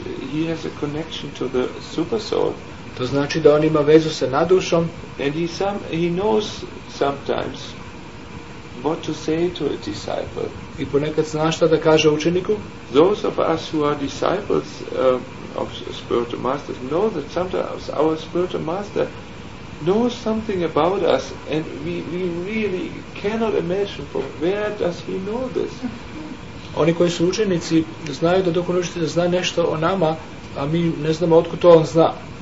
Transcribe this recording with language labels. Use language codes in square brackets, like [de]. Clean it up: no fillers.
[en] he has a connection to the super soul. [sr] To znači da on ima vezu sa nadušom. [en] And he knows sometimes what to say to a disciple. [sr] I ponekad zna šta da kaže učeniku. [en] Those of us who are disciples of spiritual masters know that sometimes our spiritual master knows something about us, and we really cannot imagine from where does he know this. [sr] Oni koji su učenici znaju da dok on učitelj zna nešto o nama, a mi ne znamo otkud to on zna.